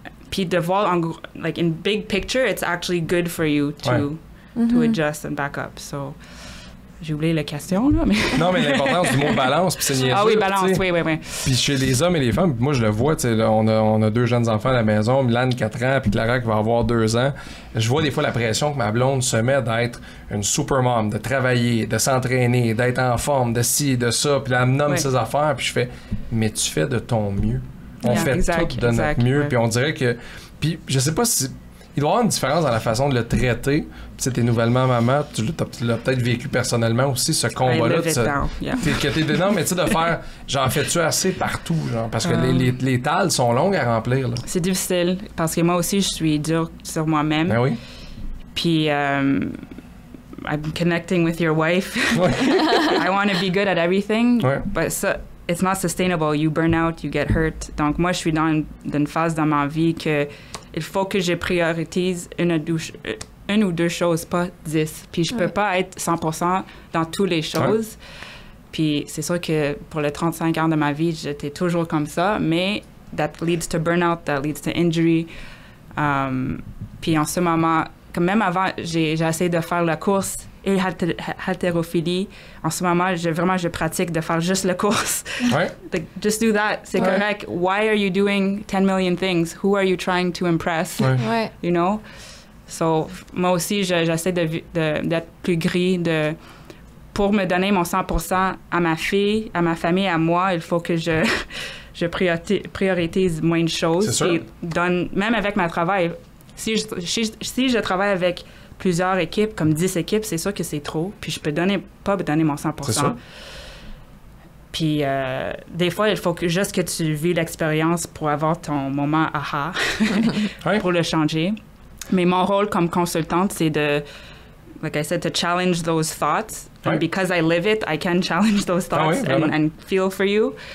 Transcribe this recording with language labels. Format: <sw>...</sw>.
<en>Puis de voir, en like, in big picture, it's actually good for you to adjust and back up, so...</en> <fr>J'ai oublié la question, là, mais... Non, mais l'importance du mot balance, puis c'est niaiseux. Ah oui, balance, t'sais. Oui. Puis chez les hommes et les femmes, moi, je le vois, tu sais, on a deux jeunes enfants à la maison, Milan, 4 ans, puis Clara, qui va avoir 2 ans. Je vois des fois la pression que ma blonde se met d'être une supermom, de travailler, de s'entraîner, d'être en forme, de ci, de ça, puis elle me nomme ses affaires, puis je fais, mais tu fais de ton mieux. On fait tout de notre mieux, puis on dirait que... Puis je sais pas si... Il doit y avoir une différence dans la façon de le traiter. Tu sais, t'es nouvellement maman, tu l'as peut-être vécu personnellement aussi, ce combat-là. Non, mais tu sais, de faire, j'en fais-tu assez partout, genre, parce que les tâles sont longues à remplir, là. C'est difficile, parce que moi aussi, je suis dure sur moi-même. Ben oui.</fr> <en>Puis, I'm connecting with your wife. Ouais. I want to be good at everything, but so, it's not sustainable. You burn out, you get hurt.</en> <fr>Donc, moi, je suis dans une phase dans ma vie que... Il faut que je priorise une ou deux choses, pas 10. Puis je peux pas être 100% dans toutes les choses. Puis c'est sûr que pour les 35 ans de ma vie, j'étais toujours comme ça.</fr> <en>Mais that leads to burnout, that leads to injury.</en> <fr>Puis en ce moment, comme même avant, j'ai essayé de faire la course et l'haltérophilie. En ce moment, je pratique de faire juste la course.</fr> <en>Like, just do that. C'est correct. Why are you doing 10 million things? Who are you trying to impress? You know? So, moi aussi, j'essaie d'être plus gris.</en> <fr>Pour me donner mon 100% à ma fille, à ma famille, à moi, il faut que je priorise moins de choses. C'est sûr. Même avec ma travail, si je travaille avec plusieurs équipes, comme 10 équipes, c'est sûr que c'est trop. Puis je peux pas donner mon 100%. Puis des fois, il faut juste que tu vis l'expérience pour avoir ton moment aha, pour le changer. Mais mon rôle comme consultante, c'est de, like I said, to challenge those thoughts.</fr> <en>And because I live it, I can challenge those thoughts and feel for you.</en>